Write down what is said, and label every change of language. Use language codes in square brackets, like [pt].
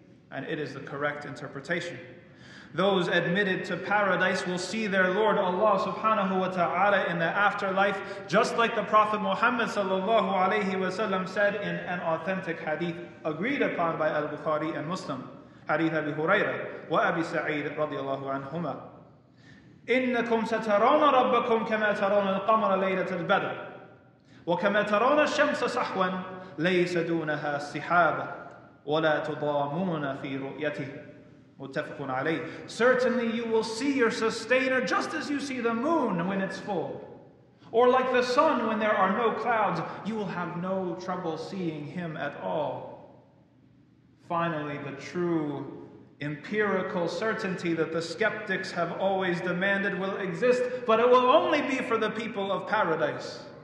[en] And it is the correct interpretation. Those admitted to paradise will see their Lord Allah subhanahu wa ta'ala in the afterlife, just like the Prophet Muhammad sallallahu alayhi wa sallam said in an authentic hadith agreed upon by Al-Bukhari and Muslim. [ar] حديث أبي هريرة وأبي سعيد رضي الله عنهما إنكم سترون ربكم كما ترون القمر ليلة البدر وكما ترون الشمس صحوا ليس دونها سحابا ولا تضامون في رؤيته متفق عليه. [en] Certainly you will see your sustainer just as you see the moon when it's full. Or like the sun when there are no clouds, you will have no trouble seeing him at all. Finally, the true empirical certainty that the skeptics have always demanded will exist, but it will only be for the people of paradise.